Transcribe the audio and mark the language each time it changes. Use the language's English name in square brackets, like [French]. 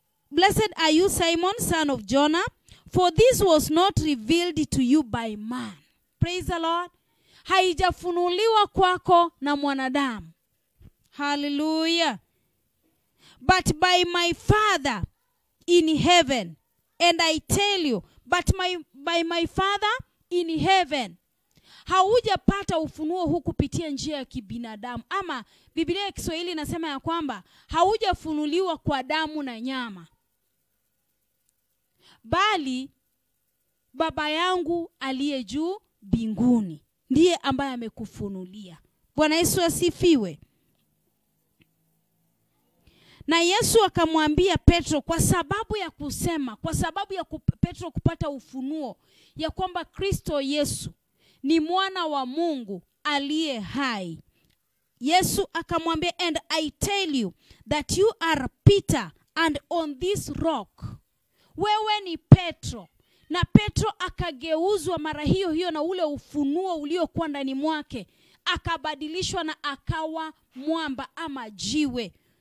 [English] Blessed are you Simon, son of Jonah, for this was not revealed to you by man. Praise the Lord. [Swahili] Haijafunuliwa kwako na mwanadamu. Hallelujah. [English] But by my Father in heaven. And I tell you, by my Father in heaven. [Swahili] Haujapata ufunuo huu kupitia njia ya kibinadamu. Ama Biblia ya Kiswahili inasema ya kwamba haujafunuliwa kwa damu na nyama. Bali Baba yangu aliye juu binguni ndiye ambaye amekufunulia. Bwana Yesu asifiwe. Na Yesu akamwambia Petro kwa sababu ya kusema, kwa sababu ya Petro kupata ufunuo ya kwamba Kristo Yesu ni mwana wa Mungu aliye hai. Yesu akamwambia, [English] and I tell you that you are Peter and on this rock. [Swahili] Wewe ni Petro. Na Petro akageuzwa mara hiyo hiyo na ule ufunuo uliokuwa ndani mwake, akabadilishwa na akawa mwamba ama jiwe.